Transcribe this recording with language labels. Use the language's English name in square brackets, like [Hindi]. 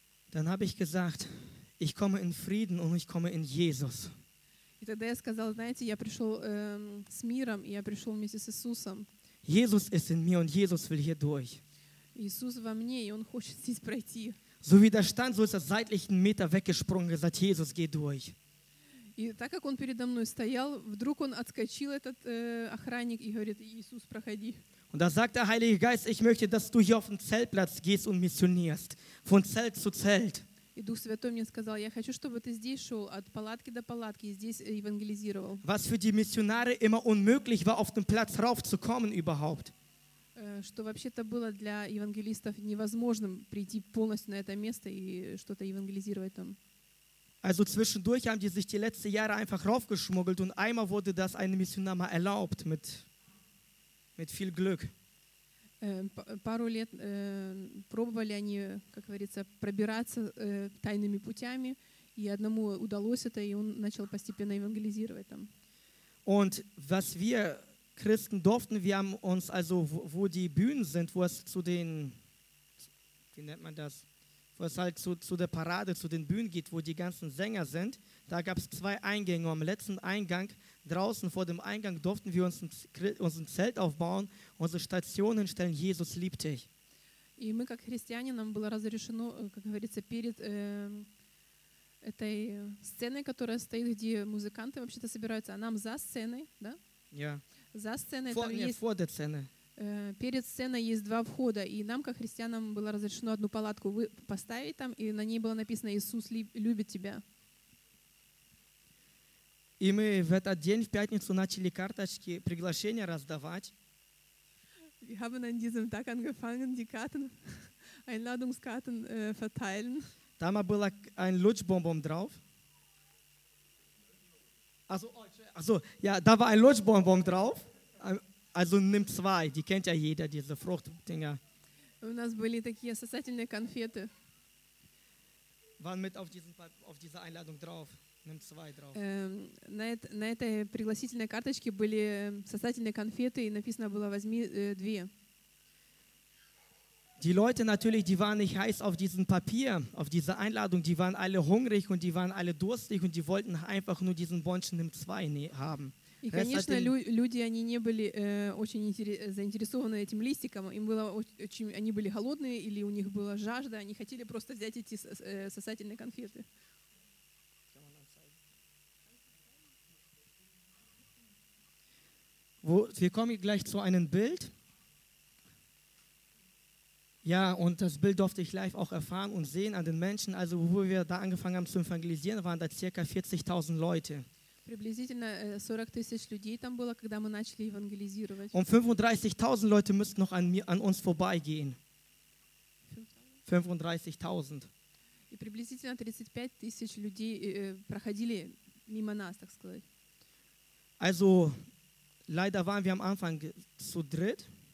[German] Dann habe ich gesagt, ich komme in Frieden und ich komme in Jesus. [Russian] И тогда я сказал, знаете, я пришел с миром, и я пришел вместе с Иисусом. [German] Jesus ist in mir und Jesus will hier durch. [Russian] Иисус во мне, и Он хочет здесь пройти. [German] So wie der stand, so ist er seitlich einen Meter weggesprungen, gesagt, Jesus, geh durch. [Russian] И так как Он передо мной стоял, вдруг Он отскочил, этот охранник, и говорит, Иисус, проходи. [German] Und da sagt der Heilige Geist, ich möchte, dass du hier auf den Zeltplatz gehst und missionierst, von Zelt zu Zelt. [Russian] И Дух Святой мне сказал, я хочу, чтобы ты здесь шел, от палатки до палатки, и здесь евангелизировал. [German] Was für die Missionare immer unmöglich war, auf den Platz raufzukommen überhaupt. [Russian] Что вообще-то было для евангелистов невозможным прийти полностью на это место и что-то евангелизировать там. [German] Also zwischendurch haben die sich die letzten Jahre einfach raufgeschmuggelt und einmal wurde das einem Missionar mal erlaubt mit viel Glück. [Russian] Пару лет пробовали они, как говорится, пробираться тайными путями, и одному удалось это, и он начал постепенно евангелизировать там. [German] Und was wir Christen durften, wir haben uns also, wo die Bühnen sind, wo es zu den, wie nennt man das, wo es halt zu der Parade, zu den Bühnen geht, wo die ganzen Sänger sind, da gab es 2 Eingänge. Am letzten Eingang, draußen vor dem Eingang, durften wir uns ein Zelt aufbauen, unsere Stationen stellen, Jesus liebt dich. [Russian] И мы как христиане, нам было разрешено, как говорится, перед этой сценой, которая стоит, где музыканты вообще-то собираются, а нам за сценой, да? [German] Ja. [Russian] За сценой, [German] vor, [Russian] там нет, есть, [German] vor der Szene. [Russian] Перед сценой есть 2 входа, и нам, как христианам, было разрешено 1 палатку поставить там, и на ней было написано «Иисус любит тебя». И мы в этот день, в пятницу, начали карточки, приглашения раздавать. [German] Wir haben an diesem Tag angefangen, die Karten, Einladungskarten verteilen. Da mal [Russian] было [German] ein Lutschbonbon drauf. Also, ja, da war ein Lutschbonbon drauf. Also nimm 2, die kennt ja jeder, diese Fruchtdinger. [Russian] У нас были такие сосательные конфеты. [German] Waren mit auf dieser Einladung drauf. Nimm 2 drauf. [Russian] На этой пригласительной карточке были сосательные конфеты, и написано было, возьми 2. [German] Die Leute natürlich, die waren nicht heiß auf diesem Papier, auf diese Einladung, die waren alle hungrig und die waren alle durstig und die wollten einfach nur diesen Bonchen im 2 haben. [Russian] И, конечно, люди, они не были очень заинтересованы этим листиком. Им было очень, они были голодные или у них была жажда, они хотели просто взять эти сосательные конфеты. [German] Wir kommen gleich zu einem Bild. Ja, und das Bild durfte ich live auch erfahren und sehen an den Menschen. Also, wo wir da angefangen haben zu evangelisieren, waren da circa 40.000 Leute. [Russian] Приблизительно 40.000 людей там было, когда мы начали евангелизировать. [German] Und 35.000 Leute müssten noch an uns vorbeigehen. 35.000. [Russian] И приблизительно 35.000 людей проходили мимо нас, так сказать. [German] Also, leider waren wir am Anfang zu dritt.